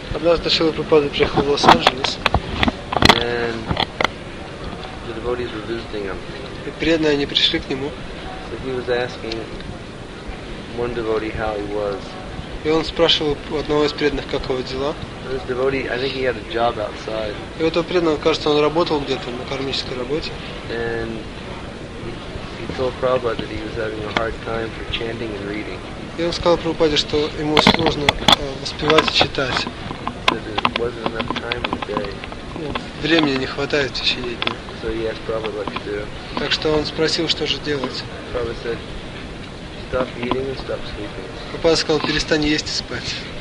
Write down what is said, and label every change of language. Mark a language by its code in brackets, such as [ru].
[ru] Однажды Шрила Прабхупада приехал в Лос-Анджелес. [en] And the devotees were visiting him. [ru] И преданные, они пришли к нему. [en] So he was asking one devotee how he was. [ru] И он спрашивал у одного из преданных, как его дела. [en] This devotee, I think he had a job outside. [ru] И у этого преданного, кажется, он работал где-то на кармической работе. [en] And told Prabhupada that he was having a hard time for chanting and reading. [ru] И он сказал Прабхупаде, что ему сложно воспевать и читать. [en] That there wasn't enough time in the day. [ru] Времени не хватает в течение дня. [en] So he asked Prabhupada what to do. [ru] Так что он спросил, что же делать. [en] Prabhupada said, stop eating and stop sleeping. [ru] Прабхупада сказал, перестань есть и спать.